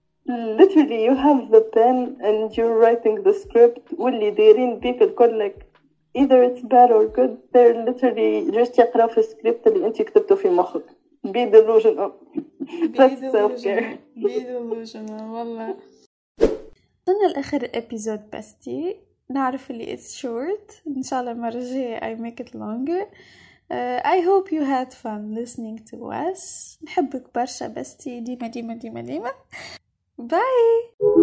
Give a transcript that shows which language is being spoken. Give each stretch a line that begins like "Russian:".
English: literally you have the pen and you're writing the script
Arabic: واللي دايرين بيك الكل
English: like Either it's bad or good, they're literally just
Arabic: يقرأ في السكريبت اللي انت كتبته في مخك.
English: Be delusional. That's self-care. Be delusional,
Arabic: والله. طنا الأخير episode بستي. نعرف اللي
English: it's short.
Arabic: إن شاء الله مرجي
English: I make it longer. I hope you had fun listening to us.
Arabic: نحبك برشا بستي ديما ديما
English: ديما ديما. Bye!